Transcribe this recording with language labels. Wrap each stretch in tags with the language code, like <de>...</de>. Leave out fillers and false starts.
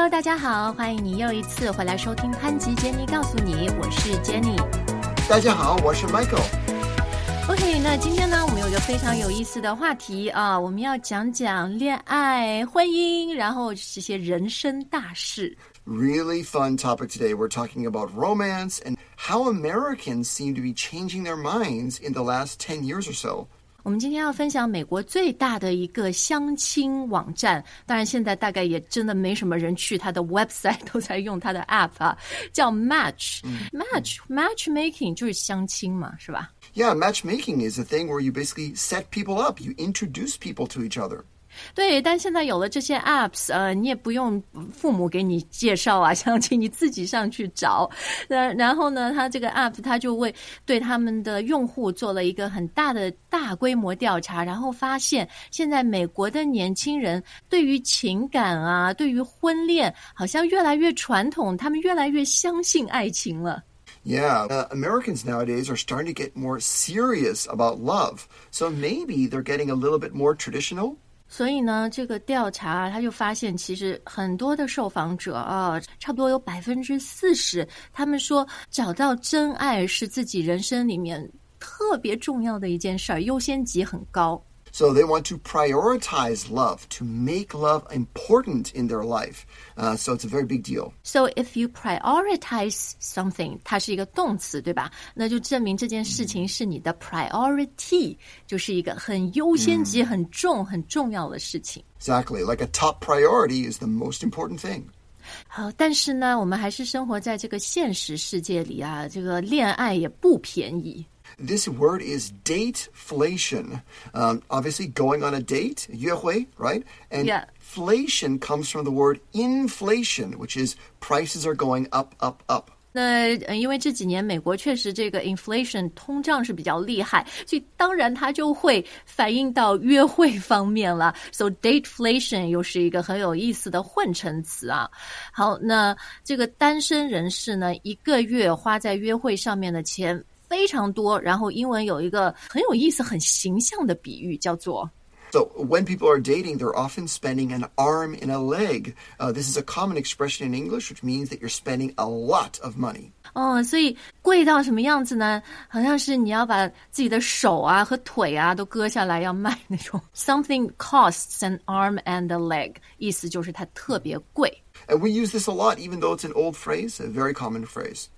<zh>家好，欢迎你又一次回来收听潘吉杰尼告诉你，我是杰尼。大家好，我是 Michael。 OK， 那今天呢我们有一个非常有意思的话题啊，我们要讲讲恋爱、婚姻，然后这些人生大事。</zh> <en>Really fun topic today. We're talking about romance and how Americans seem to be changing their minds in the last 10 years or so.</en> <zh>我们今天要分享美国最大的一个相亲网站，当然现在大概也真的没什么人去它的 website， 都在用它的 app 啊，叫 Match. Matchmaking 就是相亲嘛，是吧？</zh> <en>Yeah, matchmaking is a thing where you basically set people up. You introduce people to each other.</en> <zh>对，但现在有了这些 apps， 你也不用父母给你介绍啊，相亲你自己上去找。然后呢，他这个 app 他就为对他们的用户做了一个很大的大规模调查，然后发现现在美国的年轻人对于情感啊，对于婚恋好像越来越传统，他们越来越相信爱情了。</zh> <en>Yeah, Americans nowadays are starting to get more serious about love. So maybe they're getting a little bit more traditional. 所以呢，这个调查他就发现，其实很多的受访者啊，差不多有40%，他们说找到真爱是自己人生里面特别重要的一件事儿，优先级很高。 So they want to prioritize love, to make love important in their life. So it's a very big deal. So if you prioritize something,</en> <zh>它是一个动词，对吧？那就证明这件事情是你的 priority, 就是一个很优先级、很重、很重要的事情。</zh> <en>Exactly, like a top priority is the most important thing.</en> <zh>好，但是呢，我们还是生活在这个现实世界里啊，这个恋爱也不便宜。</zh> <en>This word is dateflation. Obviously, going on a date, 约会, right? And inflation comes from the word inflation, which is prices are going up, up, up.</en> <zh>那因为这几年美国确实这个 inflation 通胀是比较厉害，所以当然它就会反映到约会方面了。 So dateflation 又是一个很有意思的混成词啊。好，那这个单身人士呢，一个月花在约会上面的钱非常多，然后英文有一个很有意思很形象的比喻叫做</zh> <en>So when people are dating, they're often spending an arm and a leg. This is a common expression in English, which means that you're spending a lot of money.</en> <zh>哦，所以贵到什么样子呢？好像是你要把自己的手啊和腿啊都割下来要卖那种。</zh> <en>Something costs an arm and a leg.</en> <zh>意思就是它特别贵。</zh> <en>And we use this a lot, even though it's an old phrase, a very common phrase.</en>